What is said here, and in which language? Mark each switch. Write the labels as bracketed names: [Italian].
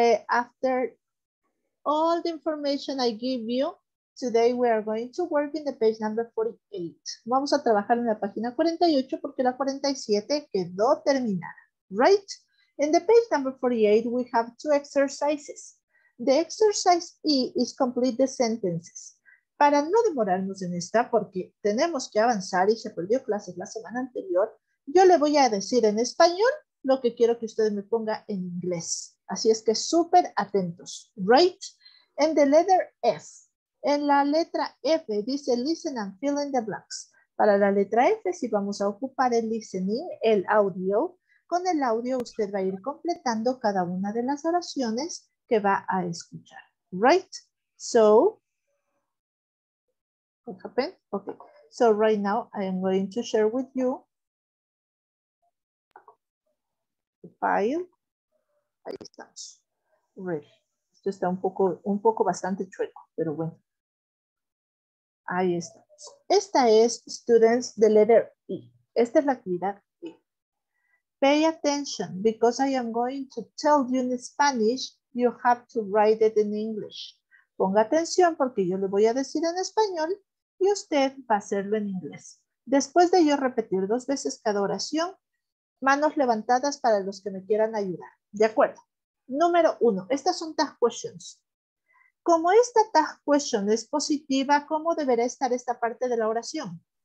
[English] After all the information I give you, today we are going to work in the page number 48. [Spanish] Vamos a trabajar en la página 48 porque la 47 quedó terminada. [English] Right? In the page number 48, we have two exercises. The exercise E is complete the sentences. [Spanish] Para no demorarnos en esta porque tenemos que avanzar y se perdió clases la semana anterior, yo le voy a decir en español lo que quiero que usted me ponga en inglés. Así es que súper atentos. [English] Right? And the letter F. [Spanish] En la letra F dice [English] listen and fill in the blanks. [Spanish] Para la letra F sí vamos a ocupar el listening, el audio. Con el audio usted va a ir completando cada una de las oraciones que va a escuchar. [English] Right? So, what happened? Okay. So right now I am going to share with you file. [Spanish] Ahí estamos. Ready. Esto está un poco bastante chueco, pero bueno. [English] Ahí estamos. [Spanish] Esta es [English] students the letter E. [Spanish] Esta es la actividad E. [English] Pay attention because I am going to tell you in Spanish, you have to write it in English. [Spanish] Ponga atención porque yo le voy a decir en español y usted va a hacerlo en inglés. Después de yo repetir dos veces cada oración, manos levantadas para los que me quieran ayudar. De acuerdo. Número uno. Estas son task questions. Como esta task question es positiva, ¿cómo deberá estar esta parte de la oración?